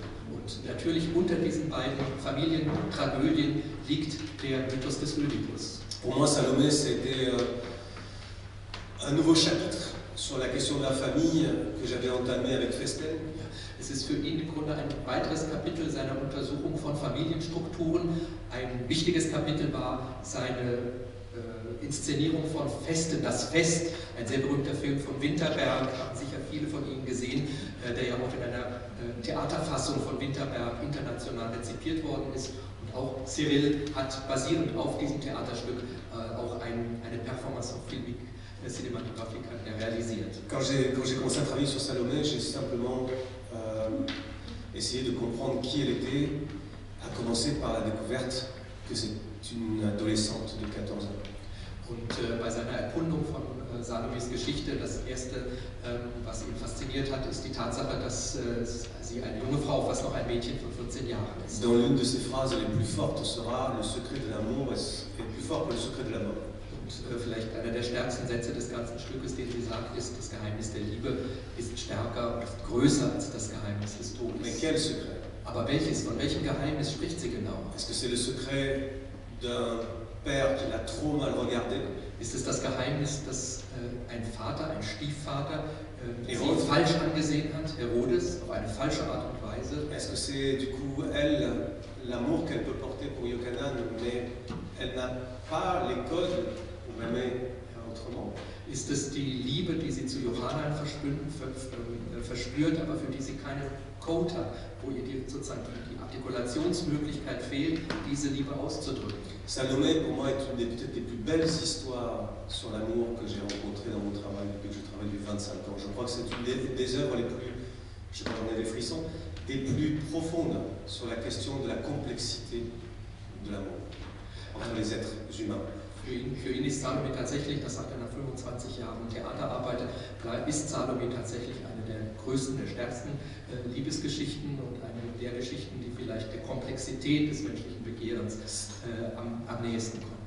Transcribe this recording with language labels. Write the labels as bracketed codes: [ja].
[de] Und natürlich unter diesen beiden Familientragödien liegt der Mythos des Ödipus. [fr] Pour moi, Salomé, c'était un nouveau chapitre sur la question de la famille que j'avais entamé avec Festel. [de] Es ist für ihn im Grunde ein weiteres Kapitel seiner Untersuchung von Familienstrukturen. Ein wichtiges Kapitel war seine Inszenierung von Festen, das Fest, ein sehr berühmter Film von Winterberg, haben sicher viele von Ihnen gesehen, der ja auch in einer Theaterfassung von Winterberg international rezipiert worden ist. Und auch Cyril hat basierend auf diesem Theaterstück auch eine Performance auf Filmik, Cinematographic realisiert. [fr] Quand j'ai commencé à travailler sur Salomé, j'ai simplement essayé de comprendre qui elle était, à commencer par la découverte que c'est une adolescente de 14 ans. [de] Und bei seiner Erkundung von Salomés Geschichte, das Erste, was ihn fasziniert hat, ist die Tatsache, dass sie eine junge Frau, fast noch ein Mädchen von 14 Jahren ist. [fr] Dans l'une de ses phrases les plus fortes sera le secret de l'amour est plus fort que le secret de la mort. [de] Und vielleicht einer der stärksten Sätze des ganzen Stückes, den sie sagt, ist, das Geheimnis der Liebe ist stärker, ist größer als das Geheimnis des Todes. [fr] Mais quel secret? [de] Aber welches, von welchem Geheimnis spricht sie genau? [fr] Est-ce que c'est le secret d'un père qui l'a trop mal regardé? [de] Ist es das Geheimnis, dass ein Vater, ein Stiefvater, sie falsch angesehen hat, Herodes, auf eine falsche Art und Weise? [fr] Est-ce que c'est du coup elle, l'amour qu'elle peut porter pour Yohanan, mais Elle n'a pas les codes pour aimer autrement. [de] Ist es die Liebe, die sie zu Johanna verspürt, aber für die sie keine Code hat, wo ihr die, sozusagen die Artikulationsmöglichkeit fehlt, diese Liebe auszudrücken? [fr] Salomé, pour moi, est une des peut-être des plus belles histoires sur l'amour que j'ai rencontré dans mon travail, que je travaille depuis 25 ans. Je crois que c'est une des œuvres les plus, je sais pas, j'en ai des frissons, des plus profondes sur la question de la complexité de l'amour entre les êtres humains. [de] Für ihn ist Salomé tatsächlich, das sagt er nach 25 Jahren Theaterarbeit, ist Salomé tatsächlich eine der größten, der stärksten Liebesgeschichten und eine der Geschichten, die vielleicht der Komplexität des menschlichen Begehrens am nächsten kommt.